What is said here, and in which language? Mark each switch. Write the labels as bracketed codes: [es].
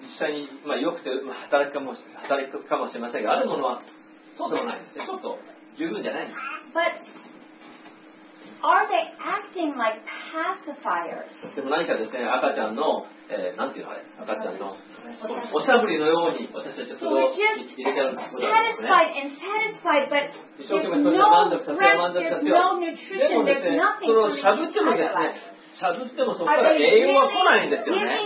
[ja] 実際に、まあ、良くて、まあ、働くかもしれませんが、あるものはそうでもないんですね。ちょっと十分じゃないんです。 [en] But Are they acting like pacifiers? [ja] でも何かですね、赤ちゃんの、なんていうのあれ、赤ちゃんのおしゃぶりのように私たちはそれを入れてあるんですね。 [en] Satisfied and satisfied, but there's no rest, there's no nutrition, there's nothing to be satisfied by. [ja] しゃぶってもそこから栄養は来ないんですよね。